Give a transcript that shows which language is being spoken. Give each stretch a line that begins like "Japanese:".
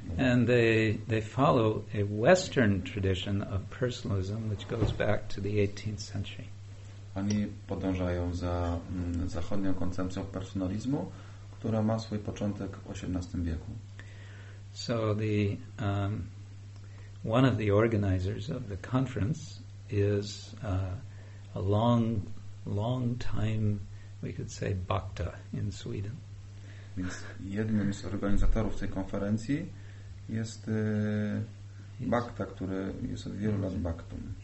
English: And they follow a Western tradition of personalism, which goes back to the 18th century.
Polish: Oni podążają za zachodnią koncepcją personalizmu, która ma swój początek w XVIII wieku.
English: So the one of the organizers of the conference is a long time, we could say, bhakta in Sweden.
Polish: Więc jednym z organizatorów tej konferencji jest bhakta, który jest od wielu lat bhaktum.